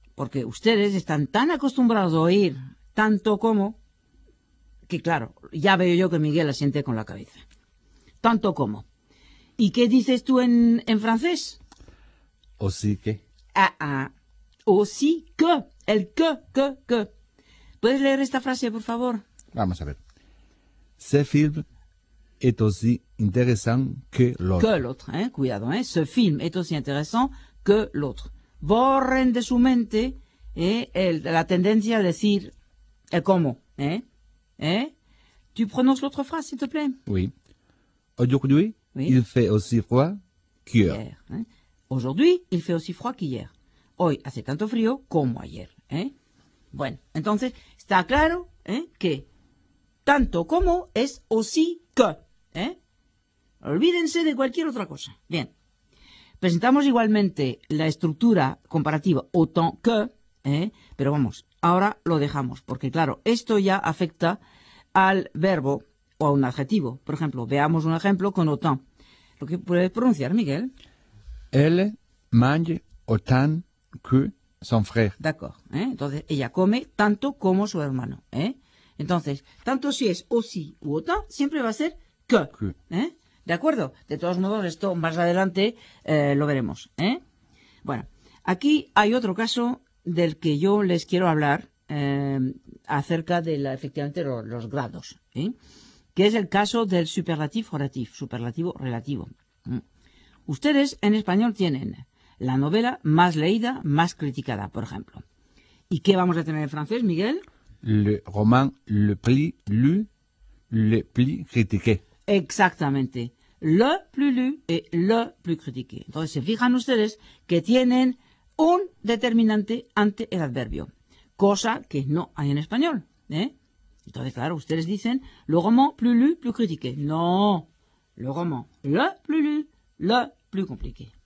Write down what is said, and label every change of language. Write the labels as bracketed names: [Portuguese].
[Spanish] Porque ustedes están tan acostumbrados a oír tanto como, que claro, ya veo yo que Miguel asiente con la cabeza. Tanto como. ¿Y qué dices tú en francés? [French] Aussi que. Aussi que. [Spanish] El que. ¿Puedes leer esta frase, por favor? Vamos a ver. [French] Ce film est aussi intéressant que l'autre. Que l'autre, [Spanish] cuidado, [French] Ce film est aussi intéressant que l'autre. [Spanish] Borren de su mente la tendencia a decir el cómo, [French] Tu prononces l'autre phrase, s'il te plaît. Oui. Aujourd'hui, il fait aussi froid qu'hier. Aujourd'hui, il fait aussi froid qu'hier. [Spanish] Hoy hace tanto frío como ayer, Bueno, entonces, está claro, que tanto como es aussi que, Olvídense de cualquier otra cosa. Bien, presentamos igualmente la estructura comparativa autant que, pero vamos, ahora lo dejamos, porque claro, esto ya afecta al verbo o a un adjetivo. Por ejemplo, veamos un ejemplo con autant. ¿Lo que puedes pronunciar, Miguel? [French] Elle mange autant que son frère. D'accord. [Spanish] Entonces, ella come tanto como su hermano. Entonces, tanto si es aussi ou autant, siempre va a ser que. ¿De acuerdo? De todos modos, esto más adelante lo veremos. Bueno, aquí hay otro caso del que yo les quiero hablar acerca de efectivamente los grados. Que es el caso del superlativo relativo. Ustedes en español tienen la novela más leída, más criticada, por ejemplo. ¿Y qué vamos a tener en francés, Miguel? [French] Le roman le plus lu, le plus critiqué. [Spanish] Exactamente. [French] Le plus lu et le plus critiqué. [Spanish] Entonces, se fijan ustedes que tienen un determinante ante el adverbio, cosa que no hay en español. Entonces, claro, ustedes dicen [French] le roman plus lu, plus critiqué. No, le roman le plus lu, le plus compliqué.